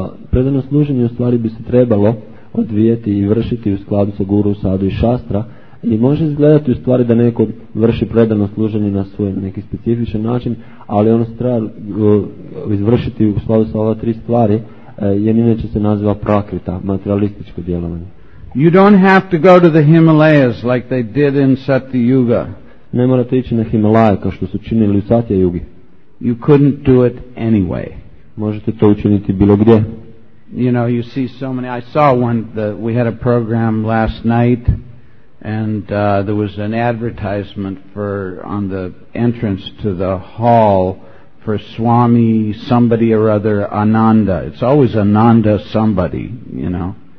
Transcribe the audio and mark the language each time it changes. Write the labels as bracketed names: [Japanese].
[Croatian] Predano služenje u stvari bi se trebalo odvijeti i vršiti u skladu sa guru, sadu i šastra, i može izgledati u stvari da neko vrši predano služenje na svoj neki specifičan način, ali ono se treba izvršiti u skladu sa ova tri stvari, jer inače se naziva prakrita, materialističko djelovanje. [English] You don't have to go to the Himalayas like they did in Satya Yuga. [Croatian] Ne morate ići na Himalaje kao što su činili u Satya Yugi. [English] You couldn't do it anyway. [Croatian] Možete to učiniti bilo gdje. [English] You know, you see so many. I saw one that we had a program last night, and there was an advertisement on the entrance to the hall for Swami somebody or other Ananda. It's always Ananda somebody, you know.